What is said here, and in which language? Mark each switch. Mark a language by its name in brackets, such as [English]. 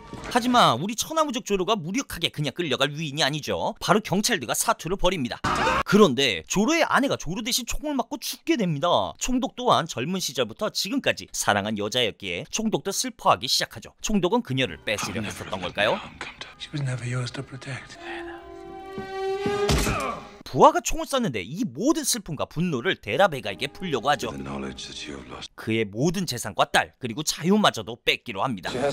[Korean] 하지만 우리 천하무적 조로가 무력하게 그냥 끌려갈 위인이 아니죠. 바로 경찰들과 사투를 벌입니다. 그런데 조로의 아내가 조로 대신 총을 맞고 죽게 됩니다. 총독 또한 젊은 시절부터 지금까지 사랑한 여자였기에 총독도 슬퍼하기 시작하죠. 총독은 그녀를 뺏으려 했었던 걸까요? [English] She was never yours to protect. [Korean] 부하가 총을 쐈는데 이 모든 슬픔과 분노를 데라베가에게 풀려고 하죠. 그의 모든 재산과 딸 그리고 자유마저도 뺏기로 합니다.